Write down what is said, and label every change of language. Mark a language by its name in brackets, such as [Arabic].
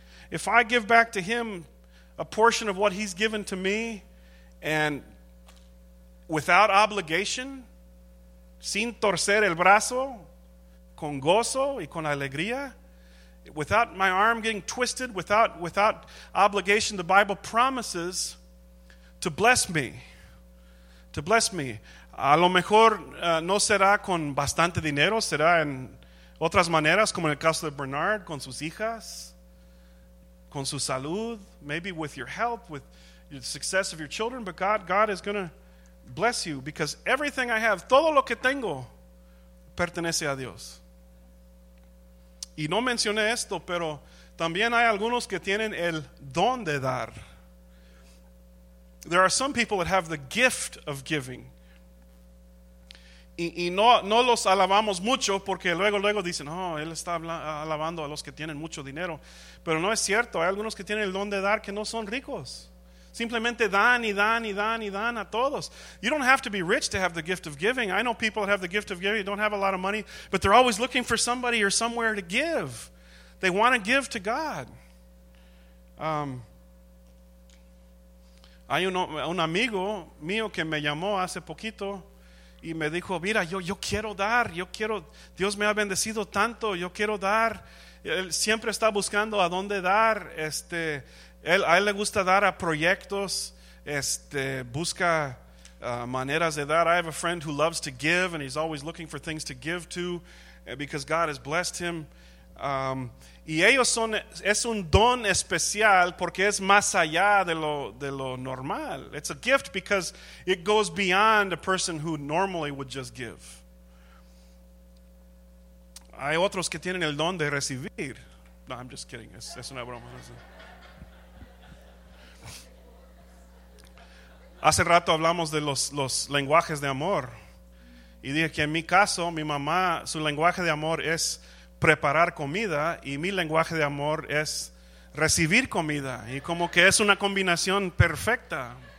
[English] If I give back to him a portion of what he's given to me and without obligation, [Spanish] sin torcer el brazo, con gozo y con alegría, [English] without my arm getting twisted, without obligation, the Bible promises to bless me. To bless me. [Spanish] A lo mejor no será con bastante dinero, será en otras maneras, como en el caso de Bernard, con sus hijas. Con su salud, [English] maybe with your help, with the success of your children, but God is going to bless you because everything I have, [Spanish] todo lo que tengo, pertenece a Dios. Y no mencioné esto, pero también hay algunos que tienen el don de dar. [English] There are some people that have the gift of giving. [Spanish] Y no los alabamos mucho porque luego dicen, oh, él está alabando a los que tienen mucho dinero. Pero no es cierto, hay algunos que tienen el don de dar que no son ricos. Simplemente dan y dan y dan y dan a todos. [English] You don't have to be rich to have the gift of giving. I know people that have the gift of giving, don't have a lot of money, but they're always looking for somebody or somewhere to give. They want to give to God. [Spanish] Hay un amigo mío que me llamó hace poquito y me dijo, mira, yo quiero dar, yo quiero, Dios me ha bendecido tanto, yo quiero dar. Él siempre está buscando a dónde dar. A él le gusta dar a proyectos, busca maneras de dar. [English] I have a friend who loves to give, and he's always looking for things to give to because God has blessed him. [Spanish] Y ellos son, es un don especial porque es más allá de lo normal. [English] It's a gift because it goes beyond a person who normally would just give. [Spanish] Hay otros que tienen el don de recibir. No, [English] I'm just kidding. [Spanish] Es una broma. Hace rato hablamos de los lenguajes de amor. Y dije que en mi caso, mi mamá, su lenguaje de amor es preparar comida, y mi lenguaje de amor es recibir comida, y como que es una combinación perfecta.